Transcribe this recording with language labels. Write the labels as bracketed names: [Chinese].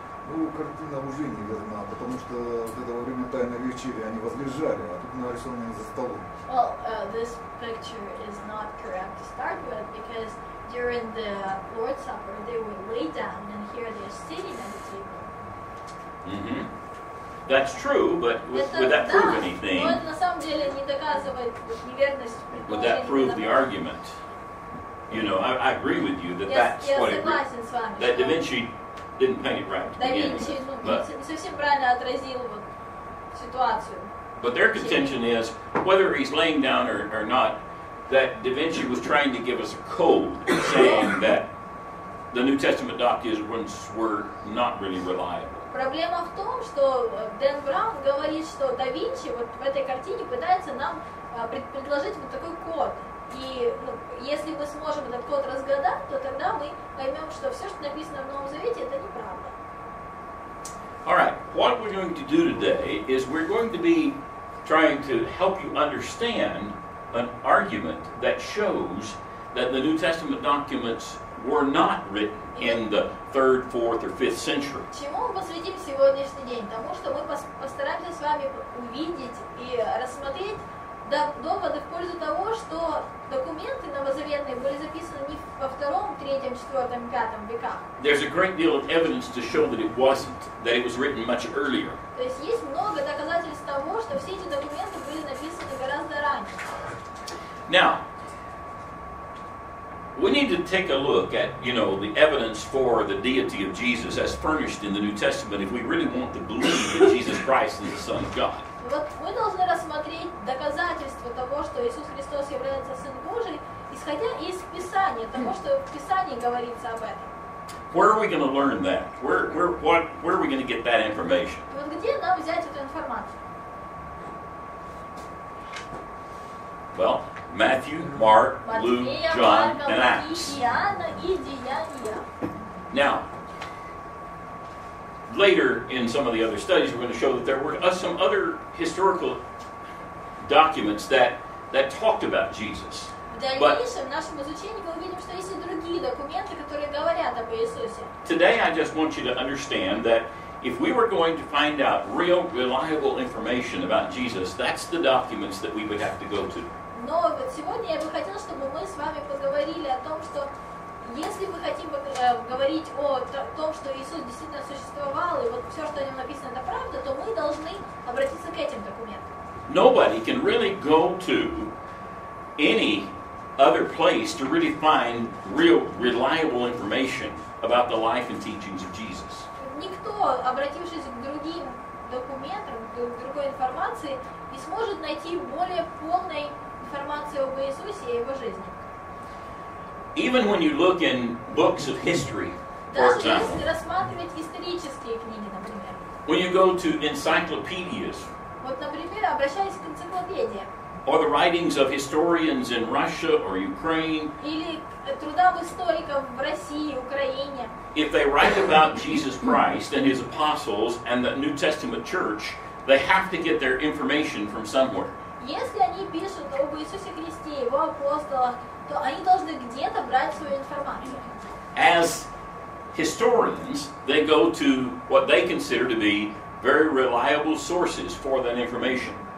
[Russian] Ну, картина уже не верна, потому что вот это во время Тайной вечери они возлежали, а тут нарисованы за столом. [English] Well, this picture is not correct to start with, because during the Lord's Supper they were laid down, and here they are sitting at the table. Mm-hmm. That's true, but would that prove anything? [Russian] Но это на самом деле не доказывает неверность. [English] Would that prove the argument? You know, I agree with you that that's what it was. Yes, that Da Vinci didn't paint it right. [Russian] Да Винчи не совсем правильно отразил вот ситуацию. [English] But their contention is whether he's laying down or not, that Da Vinci was trying to give us a code saying that the New Testament documents were not really reliable. [Russian] Проблема в том, что Дэн Браун говорит, что Да Винчи вот в этой картине пытается нам предложить вот такой код. И если мы сможем этот код разгадать, то тогда мы поймем, что все, что написано в Новом Завете, это неправда. [English] All right. What we're going to do today is we're going to be trying to help you understand an argument that shows that the New Testament documents were not written in the 3rd, 4th, or 5th century. [Russian] Чему мы посвятим сегодняшний день? Тому, что мы постараемся с вами увидеть и рассмотреть доводы в пользу того, что документы новозаветные были записаны не во втором, третьем, четвертом, пятом веках. [English] There's a great deal of evidence to show that it wasn't, that it was written much earlier. [Russian] То есть есть много доказательств того, что все эти документы были написаны гораздо раньше. [English] Now, we need to take a look at, you know, the evidence for the deity of Jesus as furnished in the New Testament if we really want to believe that Jesus Christ is the Son of God. [Russian] Вот мы должны рассмотреть доказательства того, что Иисус Христос является Сын Божий, исходя из Писания, того, что в Писании говорится об этом. [English] Where are we going to learn that? Where are we going to get that information? [Russian] Вот где нам взять эту информацию? [English] Well, Matthew, Mark, Luke, John, and Acts. [Russian] Иоанна и Деяния. [English] Now, later in some of the other studies, we're going to show that there were some other historical documents that talked about Jesus. But [Russian] в нашем изучении мы увидим, что есть и другие документы, которые говорят об Иисусе. [English] Today, I just want you to understand that if we were going to find out real, reliable information about Jesus, that's the documents that we would have to go to. [Russian] Но вот сегодня я бы хотел, чтобы мы с вами поговорили о том, что если мы хотим говорить о том, что Иисус действительно существовал, и вот все, что о нем написано, это правда, то мы должны обратиться к этим документам. [English] Nobody can really go to any other place to really find real, reliable information about the life and teachings of Jesus. [Russian] Никто, обратившись к другим документам, к другой информации, не сможет найти более полной информации об Иисусе и его жизни. [English] Even when you look in books of history, for example, [Russian] рассматривать исторические книги, например, [English] when you go to encyclopedias, [Russian] вот, например, обращаясь к энциклопедиям, [English] or the writings of historians in Russia or Ukraine, [Russian] или трудам историков в России, Украине, [English] if they write about Jesus Christ and his apostles and the New Testament church, they have to get their information from somewhere. [Russian] Если они пишут об Иисусе Христе, его апостолах, то они должны где-то брать свою информацию. [English] As historians, they go to what they consider to be very reliable sources for that information.